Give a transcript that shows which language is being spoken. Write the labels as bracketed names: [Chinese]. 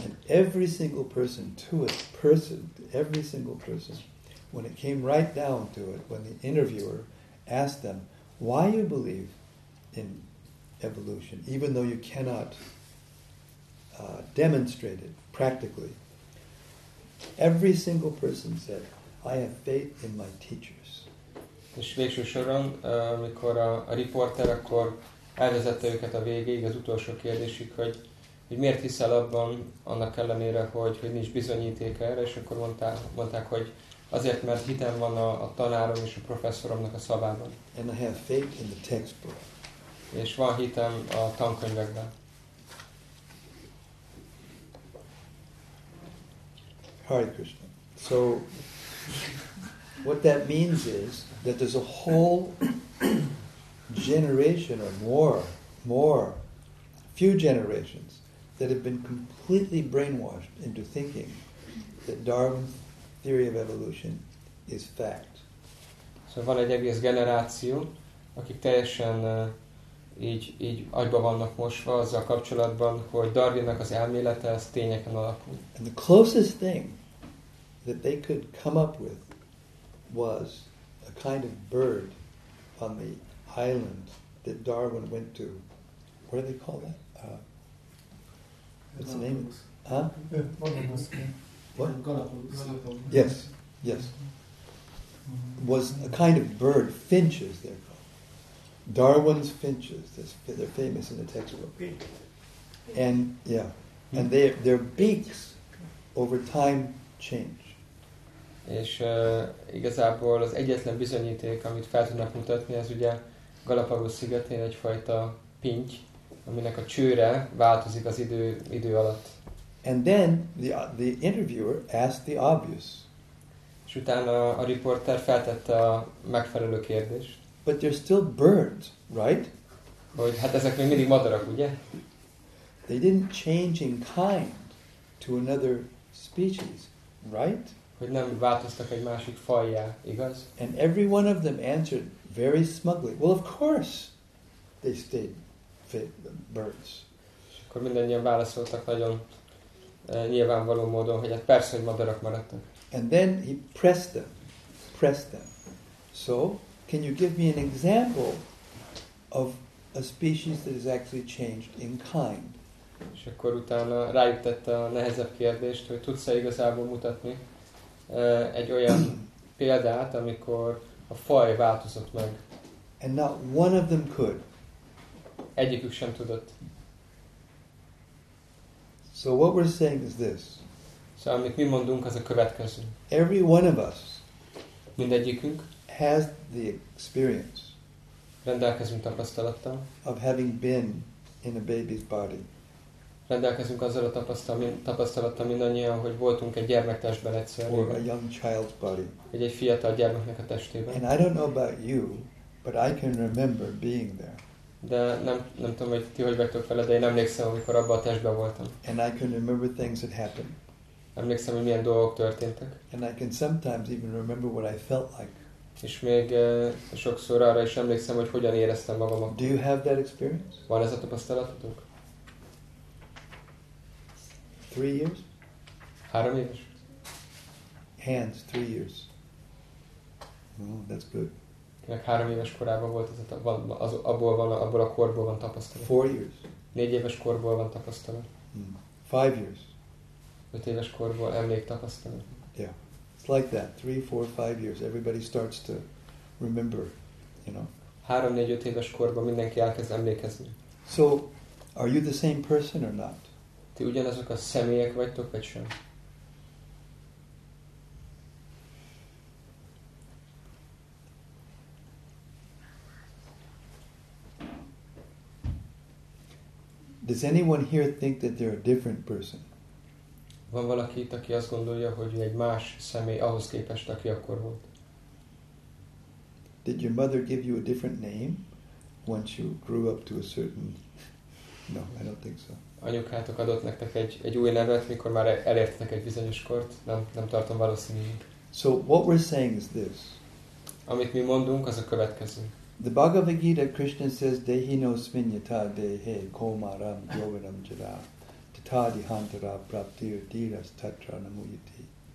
[English] And every single person, to a person, every single person, when it came right down to it, when the interviewer asked them, why you believe in evolution, even though you cannot demonstrate it practically, every single person said, I have faith in my teachers. [Hungarian] És végső soron, amikor a riporter akkor elvezette őket a végéig, az utolsó kérdésig, hogy miért hiszel abban, annak ellenére, hogy nincs bizonyíték erre, és akkor mondták, hogy azért, mert hitem van a tanárom és a professzoromnak a szavában. [English] And I have faith in the textbook. [Hungarian] És van hitem a tankönyvekben. [Sanskrit] Hare Krishna. [English] So, what that means is that there's a whole generation or more, few generations that have been completely brainwashed into thinking that Darwin's theory of evolution is fact. [Hungarian] So van egy egész generáció, akik teljesen így agyba vannak mosva azzal kapcsolatban, hogy Darwinnak az elmélete az tényeken alapul. [English] And the closest thing that they could come up with was a kind of bird on the island that Darwin went to. What do they call that? What's the name? Galapagos. What? Galapagos. Yes, yes. Mm-hmm. Was a kind of bird, finches they're called. Darwin's finches, they're famous in the textbook. And, yeah, and their beaks over time change. [Hungarian] És igazából az egyetlen bizonyíték, amit fel tudnak mutatni, ez ugye Galapagos szigetén egyfajta pinty, aminek a csőre változik az idő alatt. [English] And then the interviewer asked the obvious. [Hungarian] És utána a riporter feltette a megfelelő kérdést. [English] But they're still birds, right? [Hungarian] Hogy hát ezek még mindig madarak, ugye? [English] They didn't change in kind to another species, right? [Hungarian] Hogy nem változtak egy másik fajjá, igaz? [English] And every one of them answered very smugly, well, of course, they stayed fit, the birds. [Hungarian] Akkor mindannyian válaszoltak nagyon nyilvánvaló módon, hogy hát persze, hogy madarak maradtak. [English] And then he pressed them. So, can you give me an example of a species that has actually changed in kind? [Hungarian] És akkor utána rájuk tette a nehezebb kérdést, hogy tudsz-e igazából mutatni egy olyan példát, amikor a faj változott meg. [English] And not one of them could. [Hungarian] egyikük sem tudott. [English] So what we're saying is this. [Hungarian] Szóval, amit mi mondunk, az a következő. [English] Every one of us [Hungarian] mindegyikünk [English] has the experience [Hungarian] rendelkezünk tapasztalattal [English] of having been in a baby's body. [Hungarian] Rendelkezünk azzal a tapasztalattal mindannyian, hogy voltunk egy gyermektestben egyszer. [English] Or a young child's body. [Hungarian] Vagy egy fiatal gyermeknek a testében. [English] And I don't know about you, but I can remember being there. [Hungarian] De nem tudom, hogy ti hogy vagytok vele, de én emlékszem, amikor abban a testben voltam. [English] And I can remember things that happened. [Hungarian] Emlékszem, hogy milyen dolgok történtek. [English] And I can sometimes even remember what I felt like. [Hungarian] És még sokszor arra is emlékszem, hogy hogyan éreztem magam. [English] Do you have that experience? [Hungarian] Van ez a tapasztalatotok? [English] 3 years? [Hungarian] 3 éves. [English] Hands, 3 years. Oh, that's good. [Hungarian] Kinek 3 éves korában volt ez a abból a korból van tapasztalat. [English] 4 years. [Hungarian] 4 éves korból van tapasztalat. [English] 5 years. [Hungarian] 5 éves korból emlék tapasztalat. [English] Yeah, it's like that. 3, 4, 5 years. Everybody starts to remember, you know. [Hungarian] 3, 4, 5 éves korban mindenki elkezd emlékezni. [English] So, are you the same person or not? [Hungarian] Ti ugyanazok a személyek vagytok, vagy sem? [English] Does anyone here think that they're a different person? [Hungarian] Van valaki itt, aki azt gondolja, hogy egy más személy ahhoz képest, aki akkor volt? [English] Did your mother give you a different name once you grew up to a certain... No, I don't think so. [Hungarian] Anyukátok adott nektek egy új nevet, mikor már elértetek egy bizonyos kort, nem tartom valószínűnek. [English] So what we're saying is this. [Hungarian] Amit mi mondunk, az a következő. [English] The Bhagavad Gita Krishna says [Sanskrit] dehi no svinyata dehe komaram yoviram jada tatadi hantara praptir diras tatra namuyati.